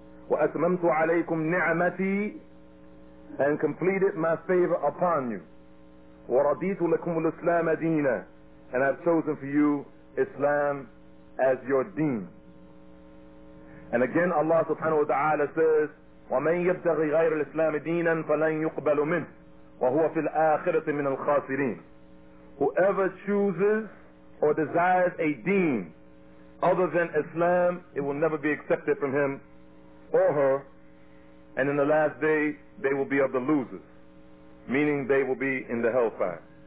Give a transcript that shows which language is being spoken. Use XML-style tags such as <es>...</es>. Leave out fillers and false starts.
<ar>وَأَتْمَمْتُ عَلَيْكُمْ نِعْمَتِي</ar> <en>and completed my favor upon you.</en> <ar>وَرَضِيتُ لَكُمُ الْإِسْلَامَ دِينًا</ar> <en>and I've chosen for you Islam as your deen. And again Allah subhanahu wa ta'ala says,</en> <ar>وَمَنْ يَبْتَغِي غَيْرَ الْإِسْلَامِ دِينًا فَلَنْ يُقْبَلُ مِنْهُ وَهُوَ فِي الْآخِرَةِ مِنَ الْخَاسِرِينَ.</ar> <en>Whoever chooses or desires a deen other than Islam, it will never be accepted from him or her, and in the last day they will be of the losers, meaning they will be in the hellfire.</en>